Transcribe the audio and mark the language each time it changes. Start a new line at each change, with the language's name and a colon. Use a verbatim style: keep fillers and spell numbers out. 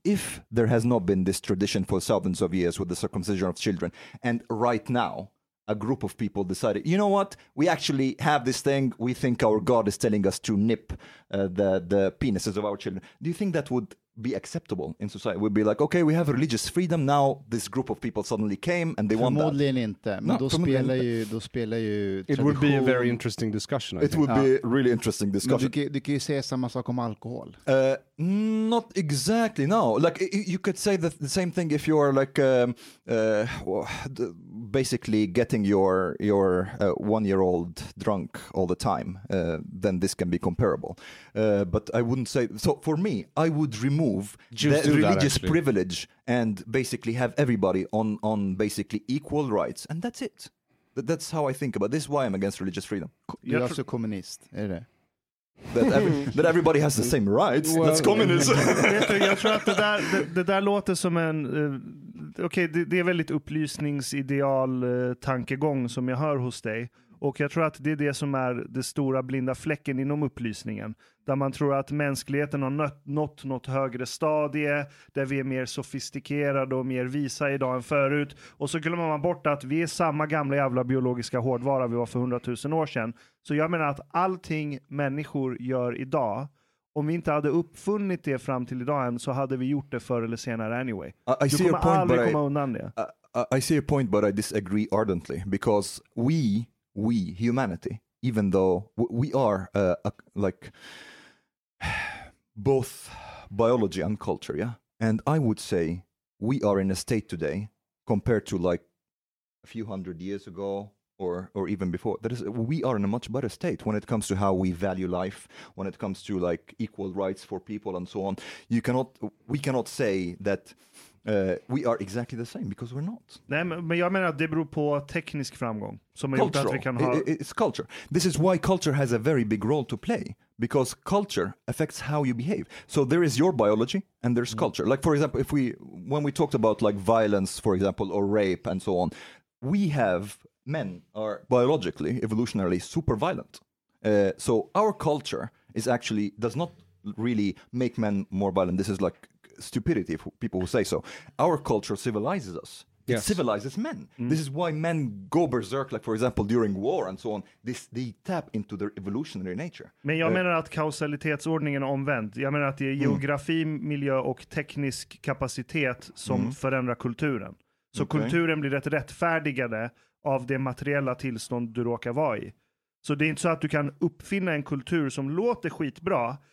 English: If there has not been this tradition for thousands of years with the circumcision of children, and right now a group of people decided, you know what, we actually have this thing. We think our God is telling us to nip uh, the the penises of our children. Do you think that would be acceptable in society? We'd be like, okay, we have religious freedom now. This group of people suddenly came and they want that.
Swedish: Förmodligen inte. Men no, då spelar ju, då spelar ju
English: It would be a very interesting discussion. I It think. would be a really interesting discussion.
Swedish: Du, du kan ju säga samma sak om alkohol.
English: Uh, not exactly, no. Like, you could say the, the same thing if you're like, um, uh, basically getting your, your uh, one-year-old drunk all the time. Uh, then this can be comparable. Uh, but I wouldn't say, so for me, I would remove the religious that, privilege and basically have everybody on, on basically equal rights, and that's it. That, that's how I think about it. This is why I'm against religious freedom. You're also
Swedish: kommunist, är det?
English: That, every, that everybody has the same rights. Well, that's communism.
Swedish: Vet du, jag tror att det där, det, det där låter som en... Uh, Okej, okay, det, det är väldigt upplysningsideal uh, tankegång som jag hör hos dig. Och jag tror att det är det som är den stora blinda fläcken inom upplysningen. Där man tror att mänskligheten har nött, nått något högre stadie. Där vi är mer sofistikerade och mer visa idag än förut. Och så glömmer man bort att vi är samma gamla jävla biologiska hårdvara vi var för hundratusen år sedan. Så jag menar att allting människor gör idag. Om vi inte hade uppfunnit det fram till idag än så hade vi gjort det förr eller senare anyway. I, I du kommer aldrig komma I, undan det.
English: I, I see a point but I disagree ardently. Because we... we humanity, even though we are uh, a, like both biology and culture, yeah. And I would say we are in a state today compared to like a few hundred years ago or or even before. That is, we are in a much better state when it comes to how we value life, when it comes to like equal rights for people and so on. You cannot, we cannot say that. Uh, we are exactly the same because we're not.
Swedish: Nej, men jag menar att det beror på teknisk framgång som har gjort att vi kan ha...
English: It's culture. This is why culture has a very big role to play, because culture affects how you behave. So there is your biology and there's mm. culture. Like for example, if we when we talked about like violence, for example, or rape and so on, we have men are biologically, evolutionarily super violent. Uh, so our culture is actually does not really make men more violent. This is like stupidity for people who say so. Our culture civilizes us Yes. It civilizes men. Mm. This is why men go berserk, like for example during war and so on. This, they tap into their evolutionary nature.
Swedish: Men jag uh, menar att kausalitetsordningen är omvänd. Jag menar att det är geografi, mm. miljö och teknisk kapacitet som mm. förändrar kulturen. Så okay. kulturen blir rätt rättfärdigade av det materiella tillstånd du råkar vara i. Så det är inte så att du kan uppfinna en kultur som låter skitbra.